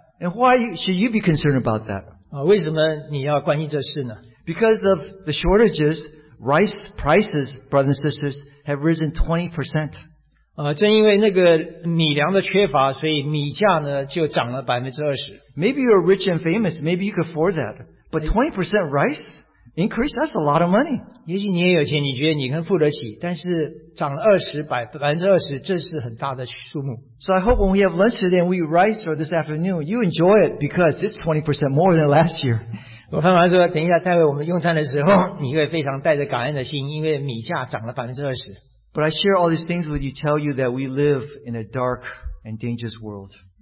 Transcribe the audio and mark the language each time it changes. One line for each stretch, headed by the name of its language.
English: And why should you be concerned about that?
Chinese: 为什么你要关心这事呢？
English: Because of the shortages, rice prices, brothers and sisters, have risen 20%.
Chinese: 正因为那个米粮的缺乏，所以米价呢就涨了20%。
English: Maybe you're rich and famous, maybe you could afford that. But 20% rice? Increase, that's a lot of money.
Chinese: 也许你也有钱，你觉得你可以付得起，但是涨了20%，这是很大的数目。
English: So I hope when we have lunch today and we eat rice or this afternoon, you enjoy it because it's 20% more than last year.
Chinese: 我盼望说，等一下待会我们用餐的时候，你会非常带着感恩的心，因为米价涨了20%。
English: But I share all these things with you, tell you that we live in a dark and dangerous world.